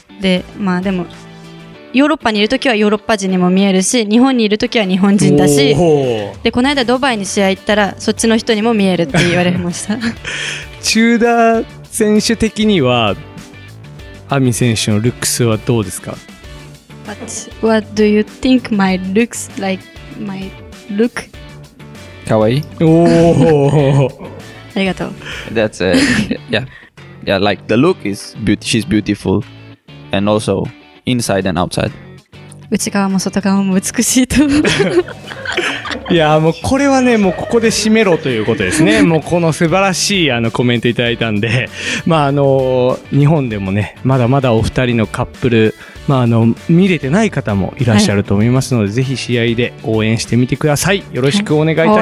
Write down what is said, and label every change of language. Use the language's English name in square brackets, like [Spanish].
[Japanese] でまあでもヨーロッパにいるときはヨーロッパ人にも見えるし、日本にいるときは日本人だし、でこの間ドバイに試合行ったらそっちの人にも見えるって言われましたチューダー選手的にはアミ選手のルックスはどうですか？ [English] What do you think my looks like? My look? [Japanese] かわいい。おありがとう。 [English] That's it. Yeah, like the look is beautiful. She's beautiful. And also,Inside and outside. [Japanese] 内側も外側も美しいと。いやもうこれはね、もうここで締めろということですね。もうこの素晴らしいあのコメントいただいたんで、まあ日本でもね、まだまだお二人のカップル、まあ見れてない方もいらっしゃると思いますので、はい、ぜひ試合で応援してみてください。よろしくお願いいたします。